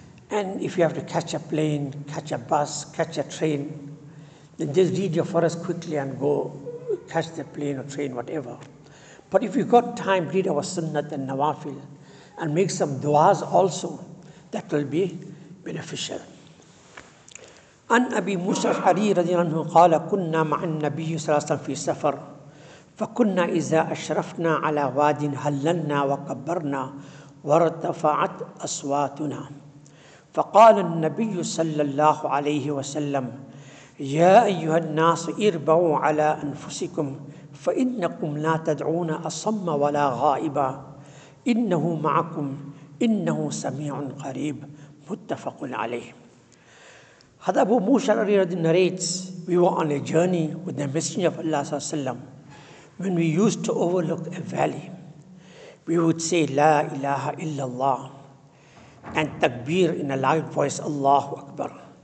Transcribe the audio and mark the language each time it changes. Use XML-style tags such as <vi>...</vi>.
<en>And if you have to catch a plane, catch a bus, catch a train, then just read your Farz quickly and go catch the plane or train, whatever. But if you've got time, read our sunnat and nawafil and make some du'as also. That will be beneficial.</en> <ar>An Abi Musa al-Ashari radiallahu anhu qala kunna ma'an nabiyyu sallallahu alayhi wa sallam fi safar fakunna iza ashrafna ala wadin hallanna wa kabbarna وارتفعت أصواتنا فقال النبي صلى الله عليه وسلم يا أيها الناس اربعوا على أنفسكم فإنكم لا تدعون أصم ولا غائبا إنه معكم إنه سميع قريب متفق عليه. هذا أبو موسى الأشعري</ar> <en>narrates, we were on a journey with the messenger of Allah صلى الله عليه وسلم when we used to overlook a valley. We would say, La ilaha illallah, and takbir in a loud voice, Allahu Akbar.</en>